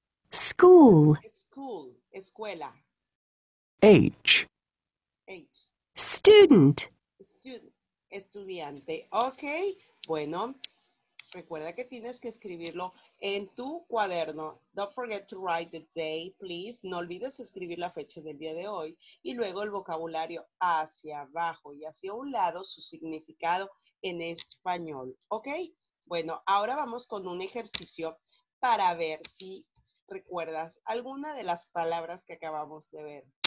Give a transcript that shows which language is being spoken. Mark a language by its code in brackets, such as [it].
[en] School. School, escuela. H. H. Student. [es] Student, estudiante. Ok, bueno. Recuerda que tienes que escribirlo en tu cuaderno. [en] Don't forget to write the day, please. [es] No olvides escribir la fecha del día de hoy y luego el vocabulario hacia abajo y hacia un lado su significado en español. ¿Ok? Bueno, ahora vamos con un ejercicio para ver si recuerdas alguna de las palabras que acabamos de ver.